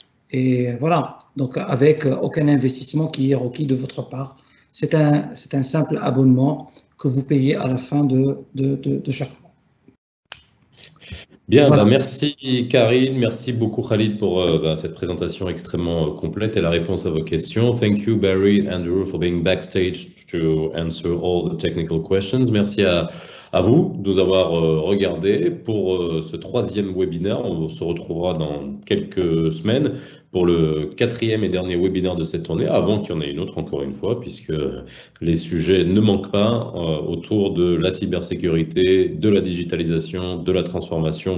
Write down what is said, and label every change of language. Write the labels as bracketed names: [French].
[French] Et voilà, donc avec aucun investissement qui est requis de votre part. C'est un simple abonnement que vous payez à la fin de chaque mois. Bien, voilà. Bah merci Karine, merci beaucoup Khalid pour cette présentation extrêmement complète et la réponse à vos questions. [English] Thank you Barry and Andrew for being backstage to answer all the technical questions. [French] Merci à vous de nous avoir regardé pour ce troisième webinaire. On se retrouvera dans quelques semaines pour le quatrième et dernier webinaire de cette tournée, avant qu'il y en ait une autre encore une fois, puisque les sujets ne manquent pas autour de la cybersécurité, de la digitalisation, de la transformation.